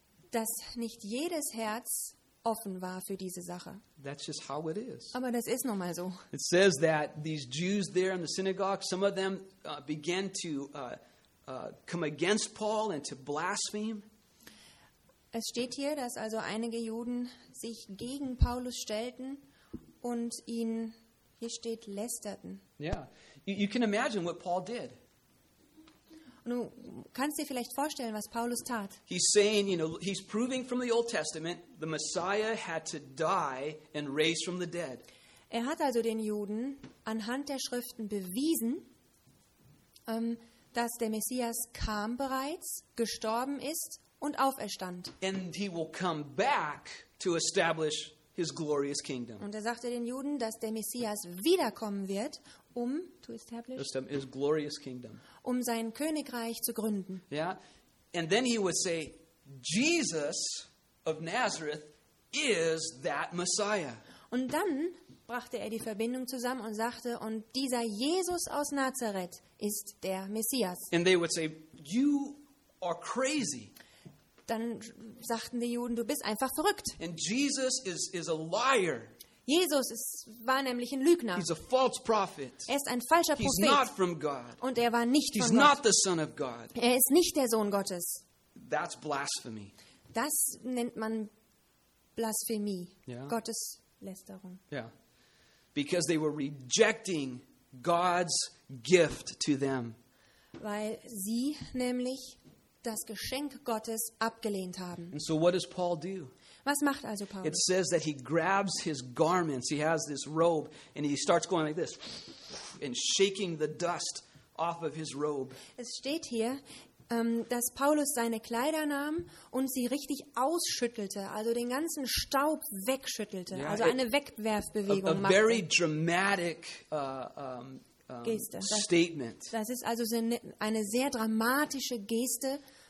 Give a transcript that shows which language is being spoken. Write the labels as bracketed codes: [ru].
[de] Dass nicht jedes Herz offen war für diese Sache. [en] That's just how it is. [de] Aber das ist nun mal so. [en] It says that these Jews there in the synagogue, some of them began to come against Paul and to blaspheme. [de] Es steht hier, dass also einige Juden sich gegen Paulus stellten und ihn, hier steht, lästerten. [en] Yeah, you can imagine what Paul did. [de] Du kannst dir vielleicht vorstellen, was Paulus tat. [en] He's saying, you know, he's proving from the Old Testament the Messiah had to die and raise from the dead. [de] Er hat also den Juden anhand der Schriften bewiesen, dass der Messias kam bereits, gestorben ist und auferstand. [en] And he will come back to establish his glorious kingdom. [de] Und er sagte den Juden, dass der Messias wiederkommen wird, um [en] to establish his glorious kingdom. [de] Um sein Königreich zu gründen. Yeah. [en] And then he would say, Jesus of Nazareth is that Messiah. [de] Und dann brachte er die Verbindung zusammen und sagte, und dieser Jesus aus Nazareth ist der Messias. [en] And they would say, you are crazy. [de] Dann sagten die Juden, du bist einfach verrückt. [en] And Jesus is a liar. [de] Jesus war nämlich ein Lügner. [en] He's a false prophet. [de] Er ist ein falscher Prophet. [en] He's not from God. [de] Und er war nicht [en] He's [de] von Gott. [en] Not the son of God. [de] Er ist nicht der Sohn Gottes. [en] That's blasphemy. [de] Das nennt man Blasphemie. Yeah. Gotteslästerung. Yeah. [en] Because they were rejecting God's gift to them. [de] Weil sie nämlich das Geschenk Gottes abgelehnt haben. [en] And so what does Paul do? [de] Was macht also Paulus? [en] It says that he grabs his garments. He has this robe and he starts going like this and shaking the dust off of his robe. [de] Es steht hier, dass Paulus seine Kleider nahm und sie richtig ausschüttelte, also den ganzen Staub wegschüttelte, yeah, also eine Wegwerfbewegung machte. [en] A very dramatic Geste. Statement. [de] Das ist also eine sehr dramatische Geste.